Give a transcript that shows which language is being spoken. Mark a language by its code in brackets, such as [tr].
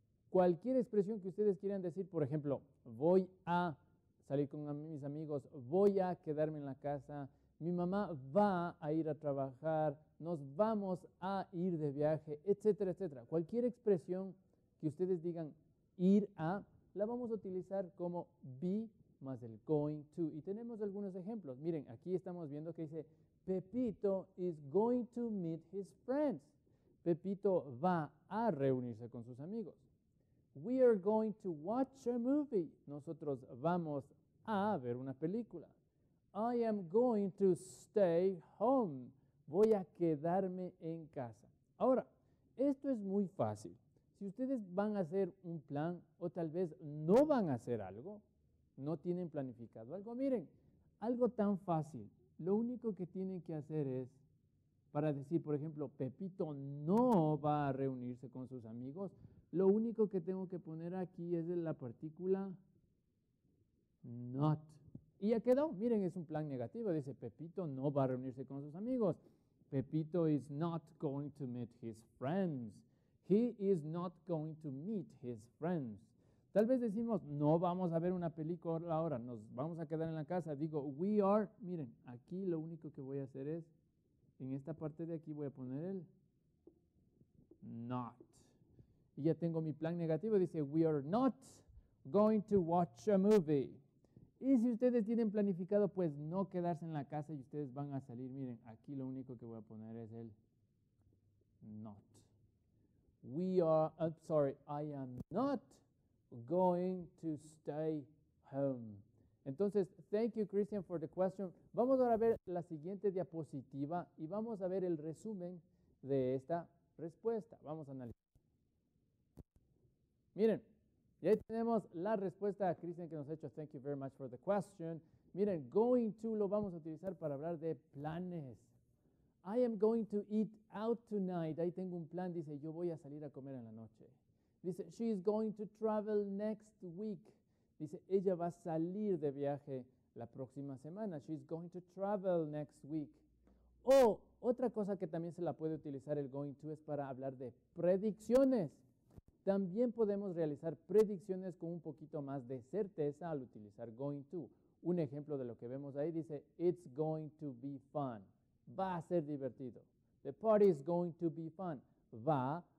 [es] Cualquier expresión que ustedes quieran decir, por ejemplo, voy a salir con mis amigos, voy a quedarme en la casa, mi mamá va a ir a trabajar, nos vamos a ir de viaje, etcétera, etcétera. Cualquier expresión que ustedes digan ir a, la vamos a utilizar como [en] be más el going to. [es] Y tenemos algunos ejemplos. [en] Miren, aquí estamos viendo que dice Pepito is going to meet his friends. [es] Pepito va a reunirse con sus amigos. [en] We are going to watch a movie. [es] Nosotros vamos a ver una película. [en] I am going to stay home. [es] Voy a quedarme en casa. Ahora, esto es muy fácil. Si ustedes van a hacer un plan o tal vez no van a hacer algo, no tienen planificado algo, miren, algo tan fácil. Lo único que tienen que hacer es, para decir, por ejemplo, Pepito no va a reunirse con sus amigos, lo único que tengo que poner aquí es la partícula not. Y ya quedó, miren, es un plan negativo, dice Pepito no va a reunirse con sus amigos. [en] Pepito is not going to meet his friends. He is not going to meet his friends. [es] Tal vez decimos, no vamos a ver una película ahora, nos vamos a quedar en la casa. Digo, [en] we are, [es] miren, aquí lo único que voy a hacer es, en esta parte de aquí voy a poner el not. Y ya tengo mi plan negativo, dice, [en] we are not going to watch a movie. [es] Y si ustedes tienen planificado, pues, no quedarse en la casa y ustedes van a salir, miren, aquí lo único que voy a poner es el not. [en] We are, I'm sorry, I am not going to stay home. [es] Entonces, [en] thank you, Christian, for the question. [es] Vamos ahora a ver la siguiente diapositiva y vamos a ver el resumen de esta respuesta. Vamos a analizar. Miren, y ahí tenemos la respuesta a Christian que nos ha hecho. [en] Thank you very much for the question. [es] Miren, [en] going to [es] lo vamos a utilizar para hablar de planes. [en] I am going to eat out tonight. [es] Ahí tengo un plan, dice, yo voy a salir a comer en la noche. [en] Dice, she is going to travel next week. [es] Dice, ella va a salir de viaje la próxima semana. [en] She is going to travel next week. [es] O, otra cosa que también se la puede utilizar el going to es para hablar de predicciones. También podemos realizar predicciones con un poquito más de certeza al utilizar going to. [en] Un ejemplo de lo que vemos ahí dice, it's going to be fun. [es] Va a ser divertido. [en] The party is going to be fun. Va